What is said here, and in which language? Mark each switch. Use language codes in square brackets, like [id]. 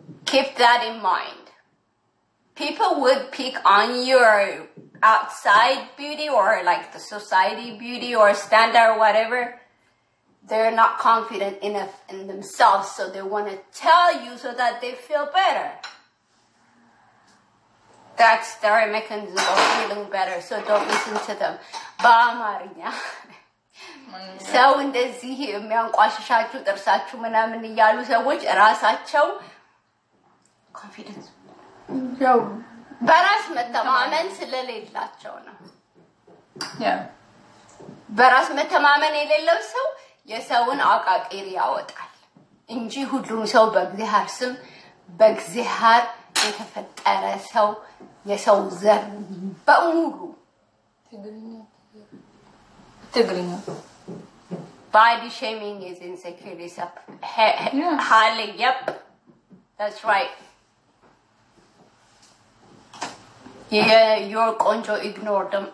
[en] Keep that in mind. People would pick on your outside beauty or like the society beauty or standard or whatever. They're not confident enough in themselves, so they want to tell you so that they feel better. That's their mechanism of feeling better, so don't listen to them. [am] Ba-ma-ri-nya. ሰው እንደዚህ የሚያንቋሽሻችሁ ጥርሳችሁ ምናምን እያሉ ሰዎች እራሳቸው confidence. በራስ መተማመን ስለሌላቸው ነው። በራስ መተማመን የሌለው ሰው የሰውን አቃቂር ያወጣል እንጂ ሁሉም ሰው በእግዚአብሔር ስም በእግዚአብሔር የተፈጠረ ሰው የሰው ዘር በሙሉ ትግሪኛ [en] body shaming is insecurity up highly yep that's right Yeah, your conjo ignore them.